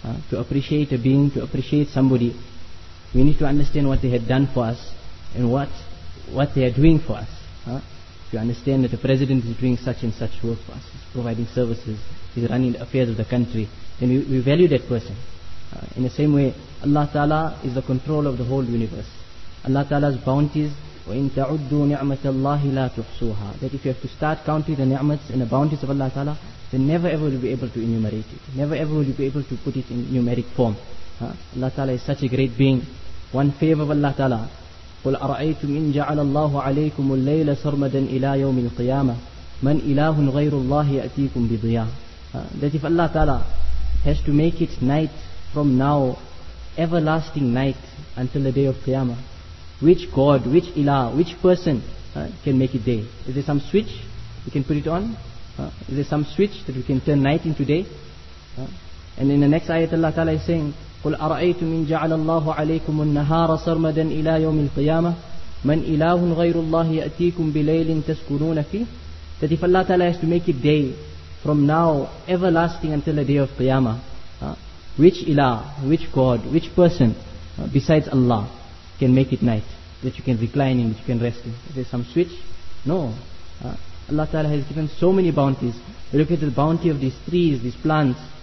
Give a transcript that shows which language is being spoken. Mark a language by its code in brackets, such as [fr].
[en] To appreciate a being, to appreciate somebody, we need to understand what they had done for us and what they are doing for us. If you understand that the president is doing such and such work for us, he's providing services, he's running the affairs of the country, then we value that person. In the same way, Allah Ta'ala is the controller of the whole universe. Allah Ta'ala's bounties, [ar] وَإِنْ تَعُدُّوا نِعْمَةَ اللَّهِ لَا تُحْصُوهَا. [en] That if you have to start counting the ni'mats and the bounties of Allah Ta'ala, then never ever will you be able to enumerate it. Never ever will you be able to put it in numeric form. Allah Ta'ala is such a great being. One favor of Allah Ta'ala: [ar] قُلْ أَرَأَيْتُمْ إِنْ جَعَلَ اللَّهُ عَلَيْكُمُ اللَّيْلَ سَرْمَدًا إِلَى يَوْمِ الْقِيَامَةِ مَنْ إِلَهٌ غَيْرُ اللَّهِ يَأْتِيكُمْ بِضِيَاءٍ. [en] That if Allah Ta'ala has to make it night from now, everlasting night until the day of Qiyamah, which God, which Ilah, which person can make it day? Is there some switch we can put it on? Is there some switch that we can turn night into day? And in the next ayat, Allah Ta'ala is saying, [ar] قُلْ أَرَأَيْتُ مِنْ جَعَلَ اللَّهُ عَلَيْكُمُ النَّهَارَ سَرْمَدًا إِلَى يَوْمِ الْقِيَامَةِ مَنْ إِلَهٌ غَيْرُ اللَّهِ يَأْتِيكُمْ بِلَيْلٍ تَسْكُنُونَ فِيهِ. [en] That if Allah Ta'ala has to make it day from now, everlasting until the day of Qiyamah, which Ilah, which God, which person besides Allah can make it night, that you can recline in, that you can rest in? Is there some switch? No. Allah Ta'ala has given so many bounties. Look at the bounty of these trees, these plants.